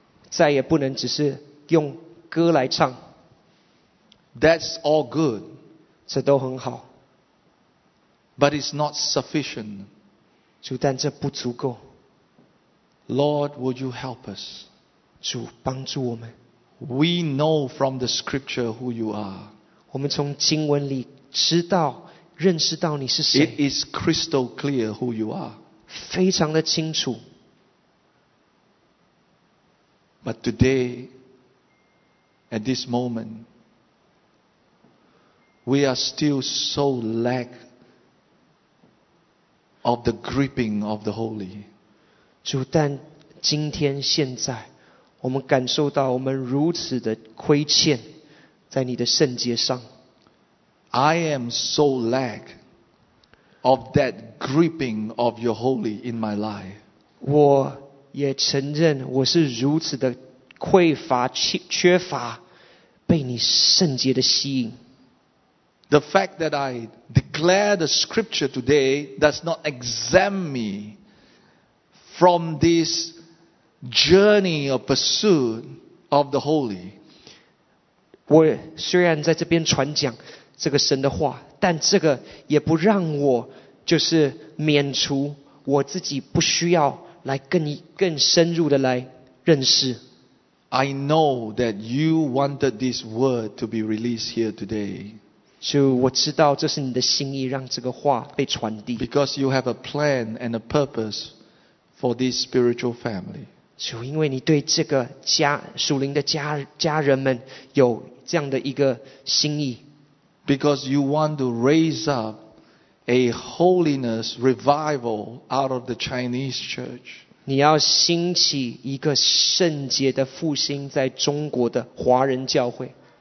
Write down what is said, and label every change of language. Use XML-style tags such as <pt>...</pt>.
<zh>再也不能只是用歌来唱。</zh> <en>That's all good.</en> <zh>这都很好。</zh> <en>But it's not sufficient.</en> <zh>主，但这不足够。</zh> <en>Lord, would you help us?</en> <zh>主，帮助我们。</zh> <en>We know from the scripture who you are.</en> <zh>我们从经文里知道，认识到你是谁。</zh> <en>It is crystal clear who you are.</en> <zh>非常的清楚。</zh> <en>But today, at this moment, we are still so lack. Of the gripping of the holy.</en> <zh>主，但今天现在，我们感受到我们如此的亏欠，在你的圣洁上。</zh> <en>I am so lack of that gripping of your holy in my life.</en> <zh>我也承认我是如此的匮乏，缺乏被你圣洁的吸引。</zh> <en>The fact that I declare the scripture today does not exempt me from this journey of pursuit of the holy.</en> <zh>我虽然在这边传讲这个神的话，但这个也不让我就是免除我自己不需要来更深入的来认识。</zh> <en>I know that you wanted this word to be released here today.</en> <zh>主，我知道这是你的心意，让这个话被传递。</zh> <en>Because you have a plan and a purpose for this spiritual family.</en> <zh>主，因为你对这个家属灵的家人们有这样的一个心意。</zh> <en>Because you want to raise up a holiness revival out of the Chinese church.</en> <zh>你要兴起一个圣洁的复兴在中国的华人教会。</zh>